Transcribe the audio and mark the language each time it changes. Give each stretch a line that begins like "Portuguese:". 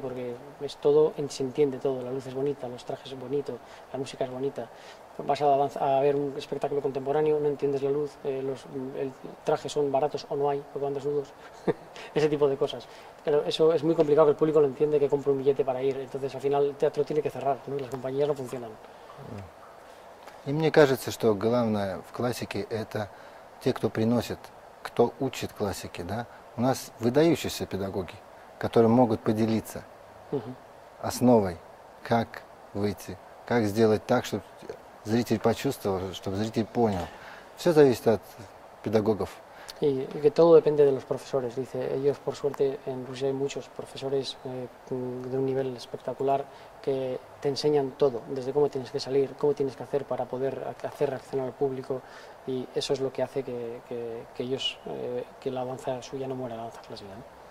Spanish: Porque es todo, se entiende todo, la luz es bonita, los trajes son bonitos, la música es bonita. Vas a ver un espectáculo contemporáneo, no entiendes la luz, el traje son baratos o no hay, porque andas nudos, ese tipo de cosas. Pero eso es muy complicado, que el público lo entiende, que compre un billete para ir. Entonces, al final, el teatro tiene que cerrar, ¿no? Las compañías no funcionan.
Russian: И мне кажется, что главное в классике – это те, кто приносит, кто учит классики. Да? У нас выдающиеся педагоги, которые могут поделиться основой, как выйти, как сделать так, чтобы зритель почувствовал, чтобы зритель понял. Все зависит от педагогов.
Spanish: Y que todo depende de los profesores, dice. Ellos, por suerte, en Rusia hay muchos profesores de un nivel espectacular que te enseñan todo, desde cómo tienes que salir, cómo tienes que hacer para poder hacer reaccionar al público, y eso es lo que hace que ellos, que la danza suya no muera, la danza clásica, ¿no?